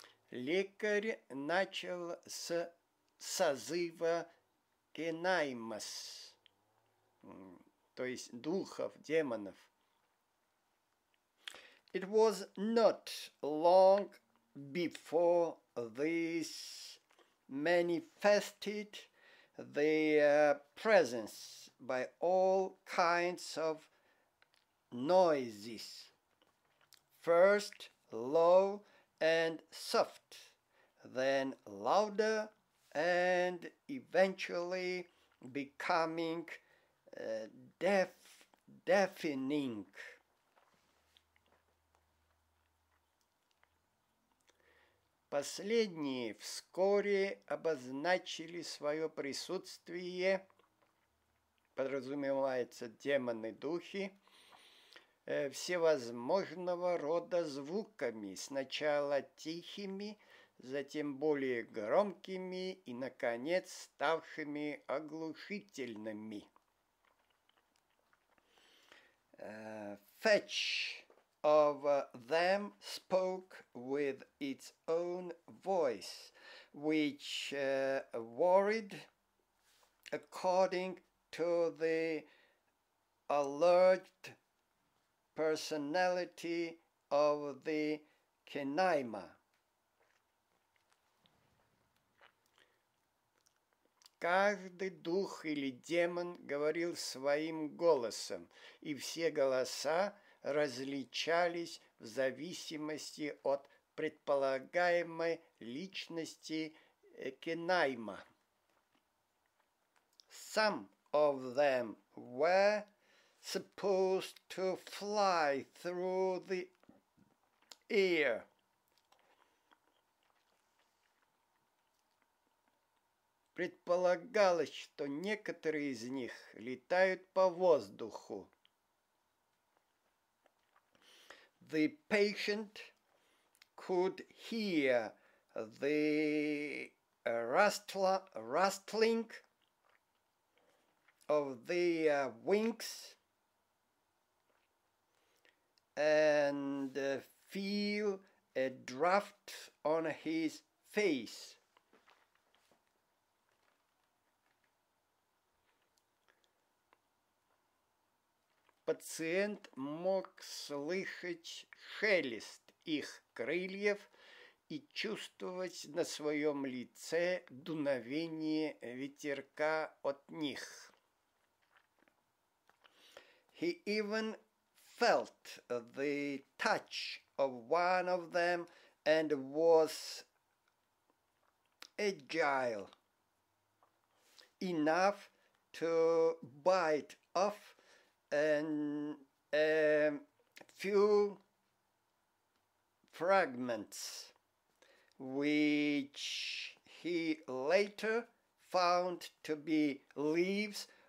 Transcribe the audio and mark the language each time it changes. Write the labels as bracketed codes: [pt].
[ru] Лекарь начал с созыва кенаймас, то есть духов, демонов. [en] It was not long before this manifested their presence by all kinds of noises. First low and soft, then louder, and eventually becoming deafening. [ru] Последние вскоре обозначили свое присутствие, подразумевается демоны, духи, всевозможного рода звуками, сначала тихими, затем более громкими и, наконец, ставшими оглушительными. [en] Each of them spoke with its own voice, which varied according to the alleged personality of the Kenaima. [ru] Каждый дух или демон говорил своим голосом, и все голоса различались в зависимости от предполагаемой личности Кенаима. [en] Some of them were supposed to fly through the air. [ru] Предполагалось, что некоторые из них летают по воздуху. [en] The patient could hear the rustling of the wings and feel a draft on his face. [ru] Пациент мог слышать шелест их крыльев и чувствовать на своем лице дуновение ветерка от них. [en] He even felt the touch of one of them and was agile enough to bite off a few fragments, which he later found to be leaves